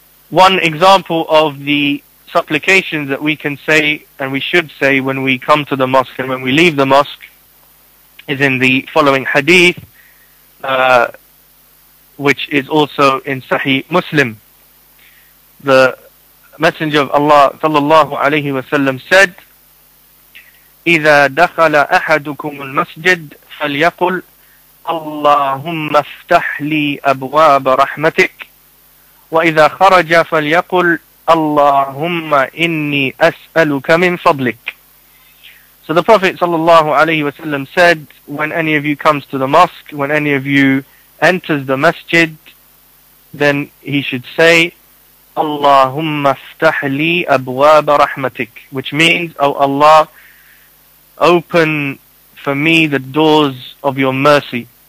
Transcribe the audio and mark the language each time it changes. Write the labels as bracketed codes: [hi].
[en] One example of the supplications that we can say and we should say when we come to the mosque and when we leave the mosque is in the following hadith, which is also in Sahih Muslim. The Messenger of Allah sallallahu alayhi wa sallam said, [ar] إِذَا دَخَلَ أَحَدُكُمُ الْمَسْجِدِ فَلْيَقُلْ اللَّهُمَّ افْتَحْ لِي أَبْوَابَ رَحْمَتِكَ وَإِذَا خَرَجَ فَلْيَقُلْ اللَّهُمَّ إِنِّي أَسْأَلُكَ مِنْ فَضْلِكَ. [en] So the Prophet sallallahu alayhi wa sallam said, when any of you comes to the mosque, when any of you enters the masjid, then he should say, [ar] Allahumma iftah li abwaab rahmatik, [en] which means, O Allah, open for me the doors of your mercy.